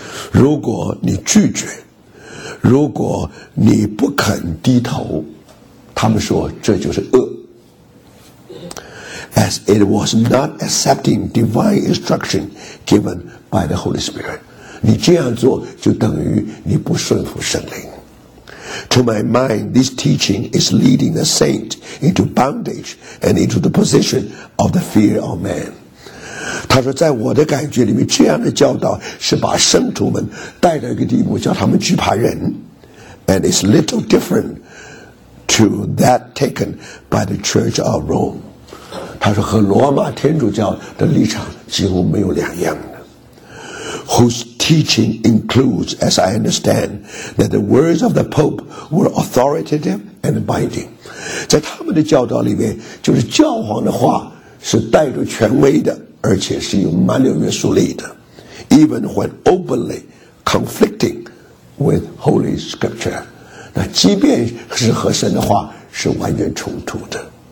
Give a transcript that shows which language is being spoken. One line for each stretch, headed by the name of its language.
Chinese: 如果你拒绝，如果你不肯低头，他们说这就是恶。
English: As it was not accepting divine instruction given by the Holy Spirit.
Chinese: 你这样做就等于你不顺服圣灵。
English: To my mind, this teaching is leading the saint into bondage and into the position of the fear of man.
Chinese: 他说在我的感觉里面这样的教导是把圣徒们带到一个地步叫他们惧怕人
English: And it's little different to that taken by the church of Rome.
Chinese: 他说和罗马天主教的立场几乎没有两样的
English: Who'sTeaching includes, as I understand, that the words of the Pope were authoritative and binding.
Chinese: 在他们的教导里面，就是教皇的话是带着权威的，而且是有蛮有约束力的。
English: Even when openly conflicting with Holy Scripture,
Chinese: 那即便是和神的话是完全冲突的。